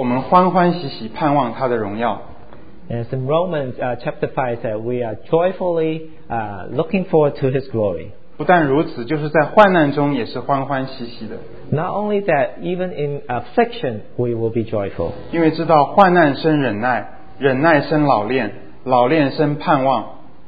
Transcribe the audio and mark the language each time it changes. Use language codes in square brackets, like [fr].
[zh] 那就是罗马书第五章，神说我们欢欢喜喜盼望他的荣耀。 [en] And it's in Romans chapter 5 that we are joyfully looking forward to his glory. [zh] 不但如此，就是在患难中也是欢欢喜喜的。 [en] Not only that, even in affliction we will be joyful. [zh] 因为知道患难生忍耐，忍耐生老练，老练生盼望。